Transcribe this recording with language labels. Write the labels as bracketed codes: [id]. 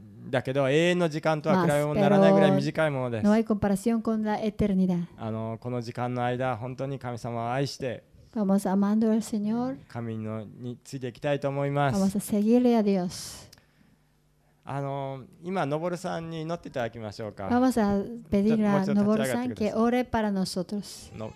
[ja] だけど永遠の時間とは比べもならないぐらい短いものです。 [es] No hay comparación con la eternidad. [ja] この時間の間、本当に神様を愛して、 [es] Vamos amando al Señor. [ja] 神のについていきたいと思います。 [es] Vamos a seguirle a Dios. [ja] 今のぼるさんに祈っていただきましょうか。 [es] Vamos a pedir a のぼるさん que ore para nosotros.